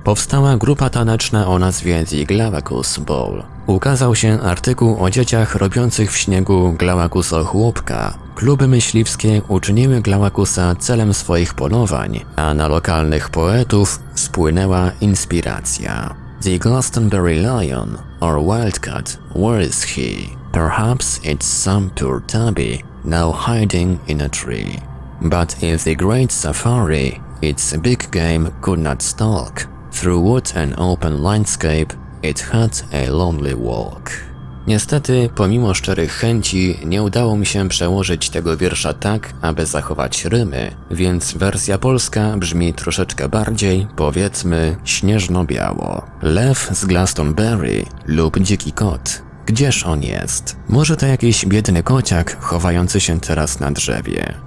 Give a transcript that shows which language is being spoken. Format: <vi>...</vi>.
<pl>Powstała grupa taneczna o nazwie The Glaukos Ball. Ukazał się artykuł o dzieciach robiących w śniegu Glaukosa chłopka. Kluby myśliwskie uczyniły Glaukosa celem swoich polowań, a na lokalnych poetów spłynęła inspiracja.</pl> <en>The Glastonbury Lion, or Wildcat, where is he? Perhaps it's some poor tabby, now hiding in a tree. But if the great safari, its big game could not stalk, through wood and open landscape, it had a lonely walk.</en> <pl>Niestety, pomimo szczerych chęci, nie udało mi się przełożyć tego wiersza tak, aby zachować rymy, więc wersja polska brzmi troszeczkę bardziej, powiedzmy, śnieżno-biało. Lew z Glastonbury lub dziki kot. Gdzież on jest? Może to jakiś biedny kociak chowający się teraz na drzewie.</pl>